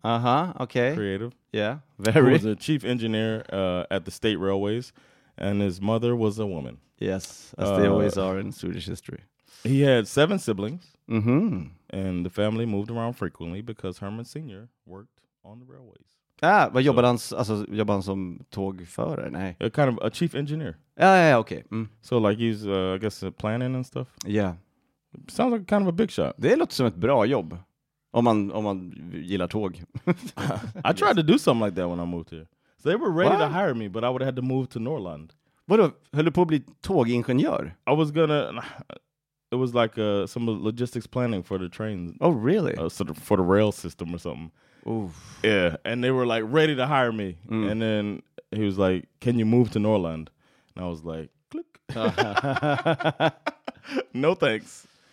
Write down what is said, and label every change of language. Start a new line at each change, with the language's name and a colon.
English: Uh-huh. Okay. Creative. Yeah. Very. He was a chief engineer at the state railways, and his mother was a woman. Yes, as they always are in Swedish history. He had 7 siblings. Mm-hmm. And the family moved around frequently because Herman Sr. worked on the railways.
Swedish: Ah, vad jobbade han, alltså jobbade han som tågförare? Nej.
English: A kind of a chief engineer. Yeah, okay. Mm. So like he's, I guess, planning and stuff? Yeah. Sounds like kind of a big shot.
Swedish: Det låter som ett bra jobb, om man gillar tåg.
English: I tried to do something like that when I moved here. So they were ready to hire me, but I would have had to move to Norrland.
Swedish: Vadå, höll du på att bli tågingenjör?
English: I was gonna, it was like some logistics planning for the trains. Oh, really? For the rail system or something. Oof. Yeah, and they were like ready to hire me, and then he was like, "Can you move to Norrland?" And I was like, "Click, no thanks.